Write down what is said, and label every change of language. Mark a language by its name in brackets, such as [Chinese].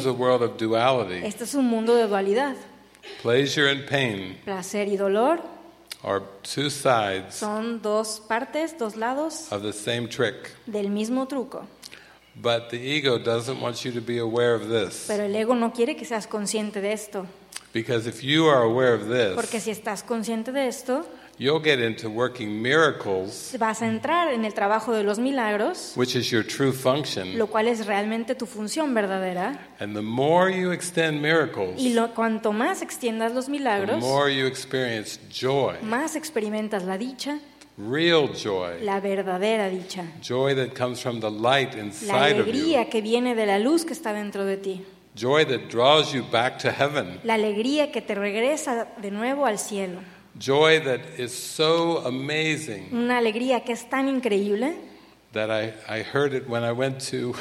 [English] is a world of duality. [Spanish] Este es un mundo de dualidad. [English] Pleasure and pain. [Spanish] Placer y dolor. [English] Are two sides [Spanish] son dos partes, dos lados [English] of the same trick. [Spanish] Del mismo truco. [English] But the ego doesn't want you to be aware of this. [Spanish] Pero el ego no quiere que seas consciente de esto. [English] Because if you are aware of this, [Spanish] porque si estás consciente de esto, [English] you'll get into working miracles, [Spanish] vas a entrar en el trabajo de los milagros, [English] which is your true function, [Spanish] lo cual es realmente tu función verdadera. [English] And the more you extend miracles, [Spanish] y cuanto más extiendas los milagros, [English] the more you experience joy, [Spanish] más experimentas la dicha, [English] real joy, [Spanish] la verdadera dicha, [English] joy that comes from the light inside of you, [Spanish] la alegría que viene de la luz que está dentro de ti, [English] joy that draws you back to heaven, [Spanish] la alegría que te regresa de nuevo al cielo. [English] Joy that is so amazing. [Spanish] Una alegría que es tan increíble. [English] That I heard it when I went to.